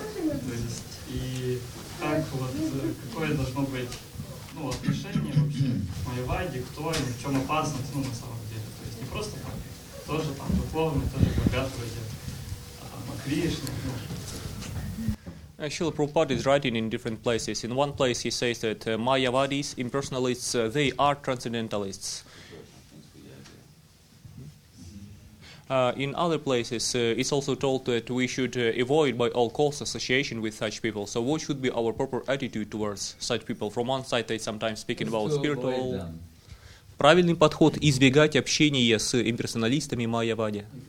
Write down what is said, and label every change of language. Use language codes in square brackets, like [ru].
[ru] То есть, и как вот, какое должно быть, ну, отношение вообще к майорваді, кто они, в чем опасность, ну, на самом деле. То есть не просто там, тоже там духовные, тоже богатые, макришны, ну, [en] Srila Prabhupada is writing in different places. In one place he says that Mayavadis, impersonalists, they are transcendentalists. In other places it's also told that we should avoid by all costs association with such people. So what should be our proper attitude towards such people? From one side they sometimes speak about spiritual... [ru] Правильный подход – избегать общения с имперсоналистами Mayavadi.